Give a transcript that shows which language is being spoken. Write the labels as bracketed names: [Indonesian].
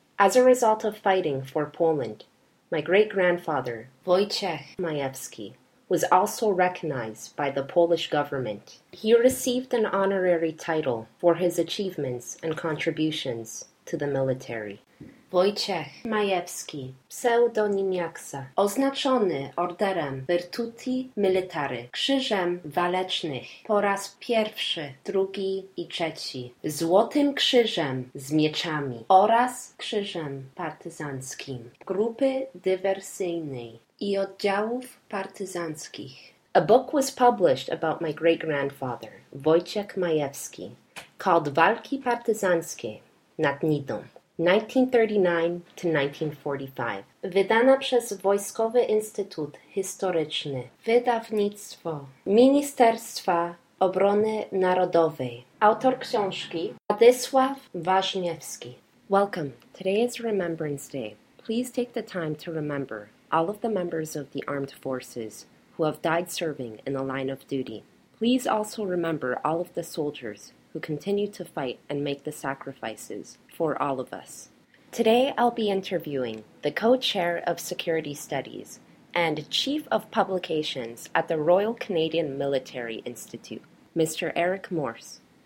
[English] As a result of fighting for Poland, my great-grandfather, Wojciech Majewski, was also recognized by the Polish government. He received an honorary title for his achievements and contributions to the military. [Polish] Wojciech Majewski, pseudonim Jaksa, oznaczony orderem Virtuti Militari, krzyżem walecznych po raz pierwszy, drugi i trzeci, złotym krzyżem z mieczami oraz krzyżem partyzanckim, grupy dywersyjnej i oddziałów partyzanckich. [English] A book was published about my great-grandfather, Wojciech Majewski, called Walki Partyzanckie nad Nidą. 1939 to 1945. [Polish] Wydana przez Wojskowy Instytut Historyczny. Wydawnictwo Ministerstwa Obrony Narodowej. Autor książki Władysław Ważniewski. [English] Welcome. Today is Remembrance Day. Please take the time to remember all of the members of the armed forces who have died serving in the line of duty. Please also remember all of the soldiers who continue to fight and make the sacrifices for all of us. Today I'll be interviewing the co-chair of security studies and chief of publications at the Royal Canadian Military Institute, Mr. Eric Morse.